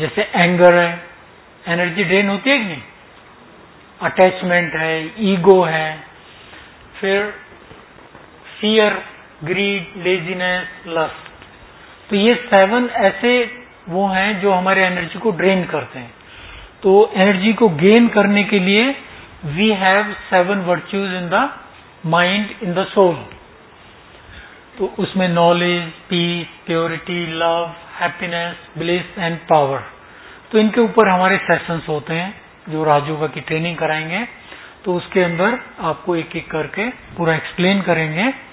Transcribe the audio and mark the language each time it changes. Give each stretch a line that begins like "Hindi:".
Urdu: جیسے اینگر ہے, energy drain ہوتی ہے کہ نہیں, اٹیچمنٹ ہے, ایگو ہے, پھر فیئر, گریڈ, لیزینس, لسٹ. تو یہ 7 ایسے وہ ہیں جو ہمارے انرجی کو ڈرین کرتے ہیں. تو انرجی کو گین کرنے کے لیے
English: We have 7 virtues in the mind, in the soul.
Urdu: تو اس میں knowledge, piece, purity, love, happiness, bills and power. تو ان کے اوپر ہمارے سیشنز ہوتے ہیں جو راجیوگا کی ٹریننگ کرائیں گے, تو اس کے اندر آپ کو ایک ایک کر کے پورا ایکسپلین کریں گے.